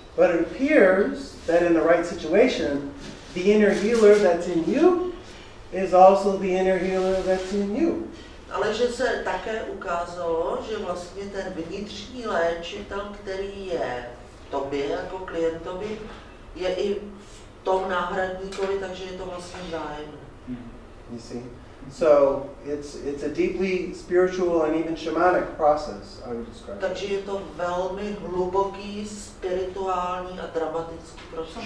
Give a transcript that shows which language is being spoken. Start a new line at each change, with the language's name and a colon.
English: But it appears that in the right situation, the inner healer that's in you is also the inner healer that's in you.
Czech: Ale že se také ukázalo, že vlastně ten vnitřní léčitel, který je tobě jako klientovi, je i tom náhradníkovi, takže je to vlastně vzájemné.
English: You see? So it's a deeply spiritual and even shamanic process, I would describe.
Czech: Takže je to velmi hluboký spirituální a dramatický proces.